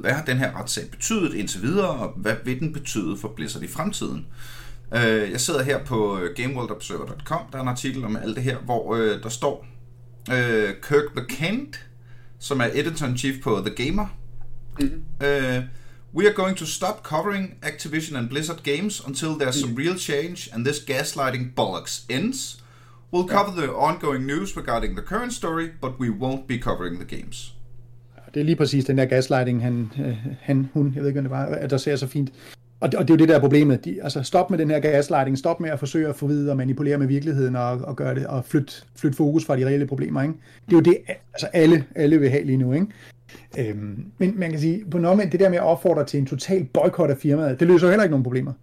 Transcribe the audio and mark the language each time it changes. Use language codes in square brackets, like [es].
[da] Hvad har den her retssag betydet indtil videre, og hvad vil den betyde for Blizzard i fremtiden? Jeg sidder her på gameworldobserver.com, der er en artikel om alt det her, hvor der står Kirk McKent, som er editor-in-chief på The Gamer. [en] We are going to stop covering Activision and Blizzard games until there's some real change and this gaslighting bollocks ends. We'll cover the ongoing news regarding the current story, but we won't be covering the games. [da] Det er lige præcis den der gaslighting, han, hun, jeg ved ikke, om det var, at der ser så fint. Og det er jo det der problemet. Altså, stop med den her gaslighting. Stop med at forsøge at forvide og manipulere med virkeligheden og gøre det, og flytte fokus fra de reelle problemer, ikke? Det er jo det, altså alle vil have lige nu, ikke? Men man kan sige, på noget med det der med at opfordre til en total boykot af firmaet, det løser jo heller ikke nogen problemer.